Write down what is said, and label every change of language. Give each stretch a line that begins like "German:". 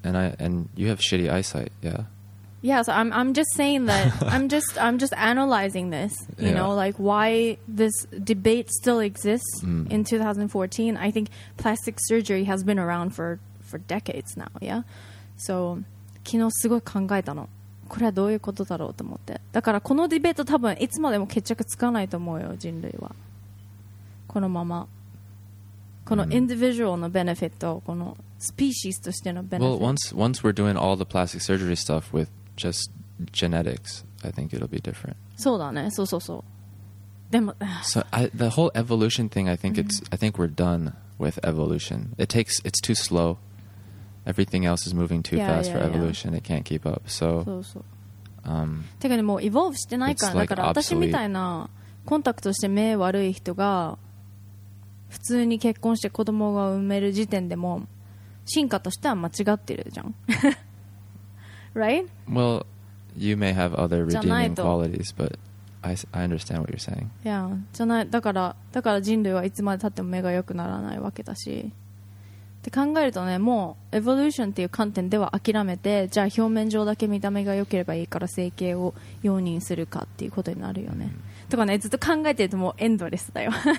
English: And you have shitty eyesight, yeah? Yeah, so I'm just saying that I'm just analyzing this, you know, like why this debate still exists in 2014. I think plastic surgery has been around for decades now, yeah?
Japanese: So 昨日すごい考えたの。これはどういうことだろうと思って。だからこのディベート多分いつまでも決着つかないと思うよ、人類は。このまま。このインディビジュアルのベネフィット、このスピーシーとしてのベネフィット。
English: Well, once we're doing all the plastic surgery stuff with just genetics, I think it'll be different.
Japanese: そうだね、そうそうそう。でも、
English: So, the whole evolution thing, I think we're done with evolution. It's too slow. Everything else is moving too fast for evolution. It can't keep up. So,
Japanese: てかね、もうevolveしてないから、だから私みたいなコンタクトして目悪い人が普通に結婚して子供が産める時点でも進化としては間違ってるじゃん。
English: Right? Well, you may have other redeeming qualities, but I understand what you're saying. Yeah,
Japanese: じゃない。だから人類はいつまで経っても目が良くならないわけだし。って考えるとね、もうエボリューションっていう観点では諦めて、じゃあ表面上だけ見た目が良ければいいから整形を容認するかっていうことになるよね、とかね、ずっと考えてるともうエンドレスだよ。